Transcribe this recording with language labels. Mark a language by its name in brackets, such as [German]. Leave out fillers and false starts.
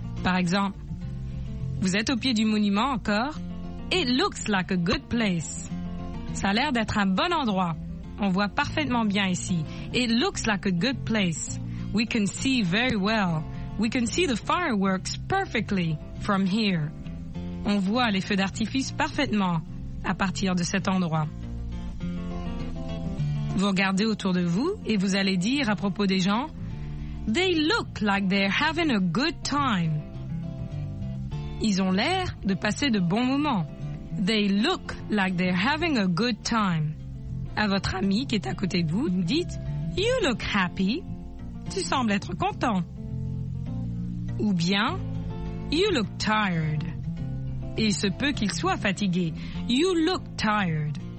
[French] Par exemple, vous êtes au pied du monument encore, [English] it looks like a good place. [French] Ça a l'air d'être un bon endroit, on voit parfaitement bien ici. [English] It looks like a good place, we can see very well. We can see the fireworks perfectly from here. [French] On voit les feux d'artifice parfaitement à partir de cet endroit. Vous regardez autour de vous et vous allez dire à propos des gens, [English] they look like they're having a good time. [French] Ils ont l'air de passer de bons moments. [English] They look like they're having a good time. [French] À votre ami qui est à côté de vous, vous dites, [English] you look happy. [French] Tu sembles être content. Ou bien, [English] you look tired. [French] Il se peut qu'il soit fatigué. [English] You look tired.